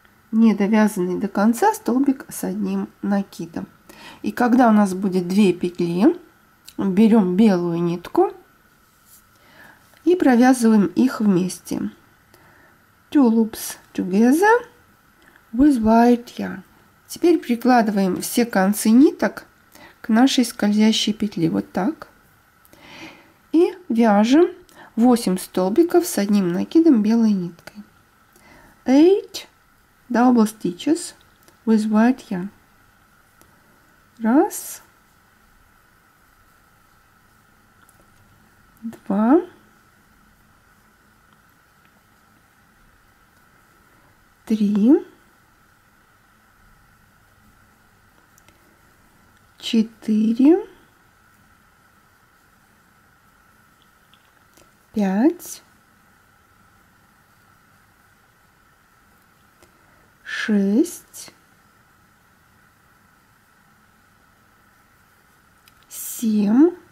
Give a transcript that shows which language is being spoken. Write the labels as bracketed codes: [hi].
[ru] Не довязанный до конца столбик с одним накидом. И когда у нас будет 2 петли, берем белую нитку и провязываем их вместе. [en] Two loops together with white yarn. [ru] Теперь прикладываем все концы ниток к нашей скользящей петле, вот так, и вяжем 8 столбиков с одним накидом белой ниткой. [en] 8 double stitches with white yarn. [ru] Раз, два, три, 4, 5, 6, 7,